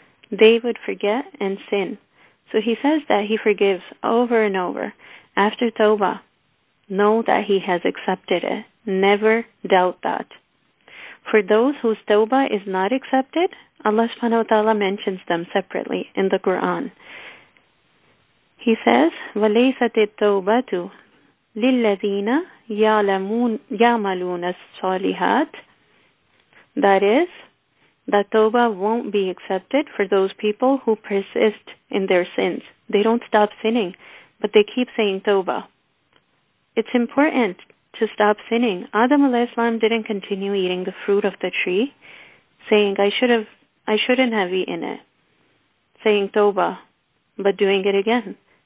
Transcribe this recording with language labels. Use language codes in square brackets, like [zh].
[en] They would forget and sin. So he says that he forgives over and over. After tawbah, Know that He has accepted it. Never doubt that. For those whose tawbah is not accepted, Allah subhanahu wa ta'ala mentions them separately in the Quran. He says, [ar] وَلَيْسَتِ التَّوْبَةُ لِلَّذِينَ يَعْمَلُونَ الصَّالِحَاتِ. [en] That is, the tawbah won't be accepted for those people who persist in their sins. They don't stop sinning, but they keep saying tawbah. It's important to stop sinning. Adam alayhi salam didn't continue eating the fruit of the tree, saying, I shouldn't have eaten it, saying tawbah, but doing it again.